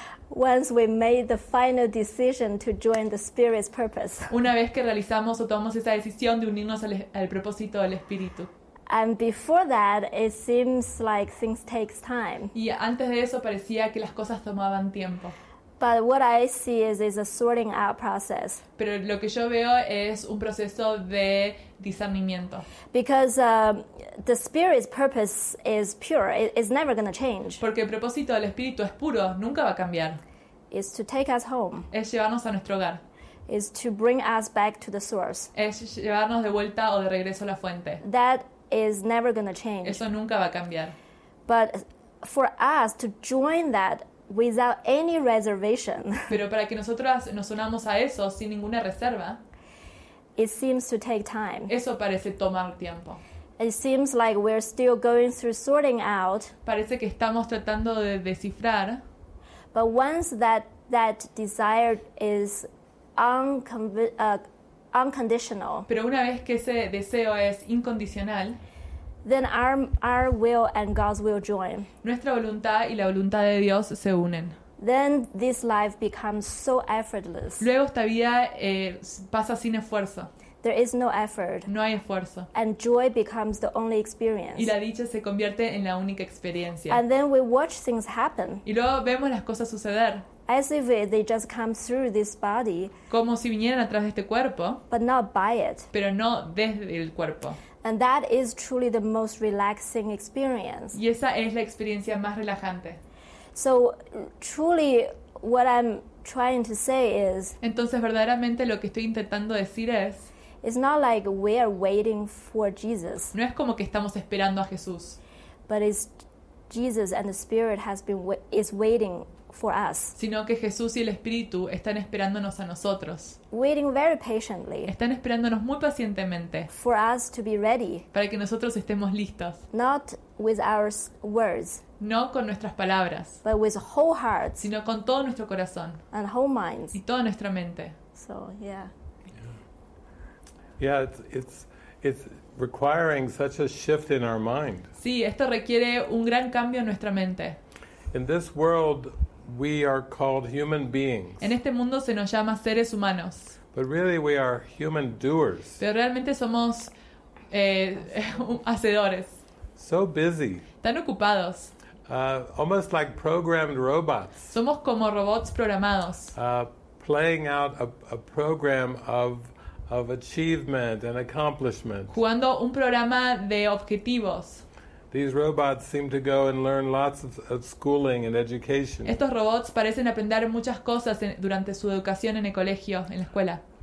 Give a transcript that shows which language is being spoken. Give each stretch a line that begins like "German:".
English: Once we made the final decision to join the spirit's purpose.
Spanish: Una vez que realizamos o tomamos esa decisión de unirnos al propósito del espíritu.
English: And before that, it seems like things takes time.
Spanish: Y antes de eso parecía que las cosas tomaban tiempo.
English: But what I see is a sorting out process.
Spanish: Pero lo que yo veo es un proceso de discernimiento.
English: Because the spirit's purpose is pure. It's never going to change.
Spanish: Porque el propósito del espíritu es puro, nunca va a cambiar.
English: Is to take us home.
Spanish: Es llevarnos a nuestro hogar.
English: Is to bring us back to the source.
Spanish: Es llevarnos de vuelta o de regreso a la fuente.
English: That is never going to change.
Spanish: Eso nunca va a cambiar.
English: But for us to join that without any reservation.
Spanish: Pero para que nosotras nos unamos a eso sin ninguna reserva.
English: It seems to take time.
Spanish: Eso parece tomar tiempo.
English: It seems like we're still going through sorting out.
Spanish: Parece que estamos tratando de descifrar.
English: But once that desire is unconditional.
Spanish: Pero una vez que ese deseo es incondicional.
English: Then our will and God's will join.
Spanish: Nuestra voluntad y la voluntad de Dios se unen.
English: Then this life becomes so effortless.
Spanish: Luego esta vida pasa sin esfuerzo.
English: There is no effort.
Spanish: No hay esfuerzo.
English: And joy becomes the only experience.
Spanish: Y la dicha se convierte en la única experiencia.
English: And then we watch things happen.
Spanish: Y luego vemos las cosas suceder.
English: As if they just come through this body.
Spanish: Como si vinieran a través de este cuerpo.
English: But not by it.
Spanish: Pero no desde el cuerpo.
English: And that is truly the most relaxing experience.
Spanish: Y esa es la experiencia más relajante.
English: So truly what I'm trying to say is,
Spanish: entonces verdaderamente lo que estoy intentando decir es,
English: It's not like we are waiting for Jesus.
Spanish: No es como que estamos esperando a Jesús.
English: But it's Jesus and the Spirit has been is waiting for us.
Spanish: Sino que Jesús y el Espíritu están esperándonos a nosotros.
English: Waiting very patiently.
Spanish: Están esperándonos muy pacientemente.
English: For us to be ready.
Spanish: Para que nosotros estemos listos.
English: Not with our words.
Spanish: No con nuestras palabras.
English: But with whole hearts.
Spanish: Sino con todo nuestro corazón.
English: And whole minds.
Spanish: Y toda nuestra mente.
English: So, yeah. Yeah, it's requiring such a shift in our mind.
Spanish: Sí, esto requiere un gran cambio en nuestra mente.
English: In this world, we are called human beings.
Spanish: En este mundo se nos llama seres humanos.
English: But really, we are human doers.
Spanish: Pero realmente somos hacedores.
English: So busy.
Spanish: Tan ocupados.
English: Almost like programmed robots.
Spanish: Somos como robots programados.
English: Playing out a program of achievement and accomplishment.
Spanish: Jugando un programa de objetivos.
English: These robots seem to go and learn lots of schooling and education.
Spanish: Estos robots parecen aprender muchas cosas durante su educación en el colegio, en la escuela.